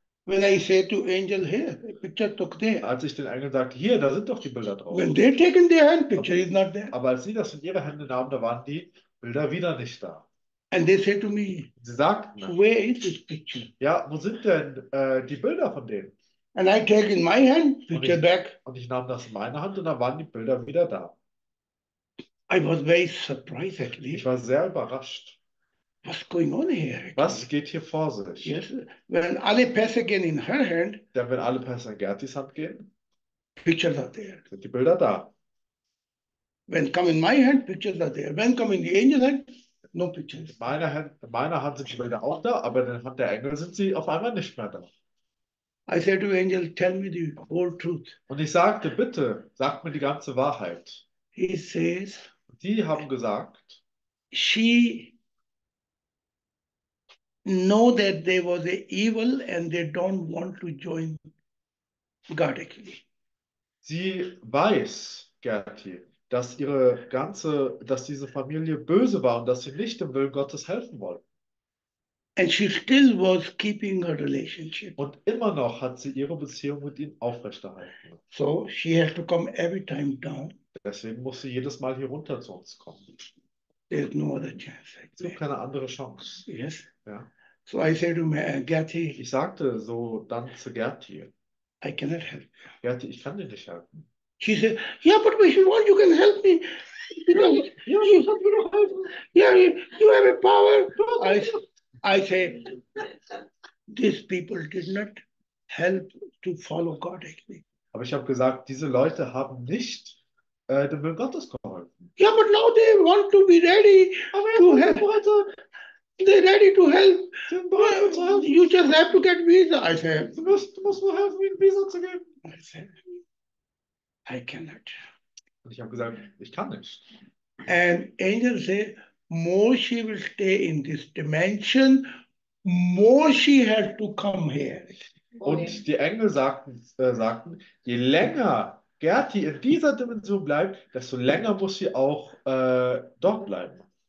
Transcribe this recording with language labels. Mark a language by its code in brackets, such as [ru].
[en] When I said to Angel, here, picture took there. [de] Als ich den Engel sagte, hier, da sind doch die Bilder drauf. [en] When they taken their hand, picture is not there. [de] Aber als sie das in ihre Hände nahmen, da waren die Bilder wieder nicht da. [en] And they said to me, [de] sie sagten, [en] where is this picture? [de] Ja, wo sind denn die Bilder von denen? [en] And I take in my hand, picture [de] und ich, [en] back. [de] Und ich nahm das in meine Hand und da waren die Bilder wieder da. [en] I was very surprised, actually. [de] Ich war sehr überrascht. [en] What's going on here? [de] Was geht hier vor sich? [en] Yes. When [de] alle Pässe gehen [en] in her hand, [de] denn wenn alle Pässe in Gertis Hand gehen, [en] pictures are there. [de] Sind die Bilder da. [en] When come in my hand, pictures are there. When come in the angel's hand, no pictures. [de] In meiner Hand sind die Bilder auch da, aber in der Hand der Engel sind sie auf einmal nicht mehr da. [en] I said to Angel, tell me the whole truth. [de] Und ich sagte, bitte, sag mir die ganze Wahrheit. [en] He says, [de] die haben gesagt, [en] she know that they was a evil and they don't want to join God actually. [de] Sie weiß, Gerti, dass ihre ganze, dass diese Familie böse war und dass sie nicht dem Willen Gottes helfen wollten. [en] And she still was keeping her relationship. [de] Und immer noch hat sie ihre Beziehung mit ihm aufrechterhalten. [en] So she has to come every time down. [de] Deswegen muss sie jedes Mal hier runter zu uns kommen. [en] There's no other chance. [de] Es gibt keine andere Chance. [en] Yes. [de] Ja. [en] So I said to Gerti, [de] ich sagte so dann zu Gerti, [en] I cannot help. [de] Gerti, ich kann dir nicht helfen. [en] She said, yeah, but if you want, you can help me. You have a power. I say, these people did not help to follow God actually. [de] Aber ich habe gesagt, diese Leute haben nicht dem Willen Gottes geholfen. [en] Yeah, but now they want to be ready. [de] Aber [en] to help. They're ready to help. [de] Bereit, [en] you just have to get visa, I say. [de] Du musst mir helfen, mir ein Visa zu geben. [en] I say, I cannot. [de] Und ich habe gesagt, ich kann nicht. [en] And Angel say, more she will stay in this dimension, more she has to come here. [de] Und die Engel sagten, je länger Gerti in dieser Dimension bleibt, desto länger muss sie auch dort bleiben.